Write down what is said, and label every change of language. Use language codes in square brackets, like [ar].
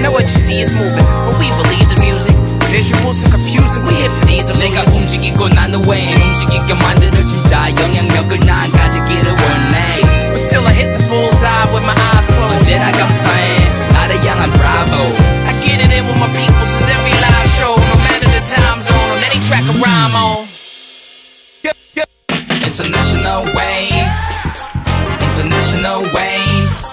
[en] Now what you see is moving, but we believe the music. Visual visuals are confusing. We hip to these illusions. [ko] 내가 움직이고 나는 왜 움직이게 만드는 진짜 영향력을 난 가지기를 원해. [en] But still I hit the bullseye with my eyes closed. [ko] 언제나 감사해 나를 향한 bravo. [en] I get it in with my people since every live show. No matter the time zone on any track or rhyme on. International wave, international wave.